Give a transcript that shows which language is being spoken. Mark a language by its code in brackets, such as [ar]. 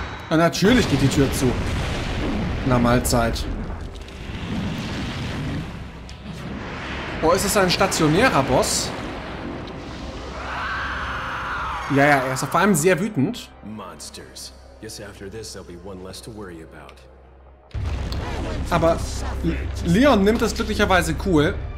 [de] Na, natürlich geht die Tür zu. Na Mahlzeit. Oh, ist es ein stationärer Boss? Ja, er ist auf einmal sehr wütend. [en] Monsters. Guess after this there'll be one less to worry about. [de] Aber Leon nimmt das glücklicherweise cool.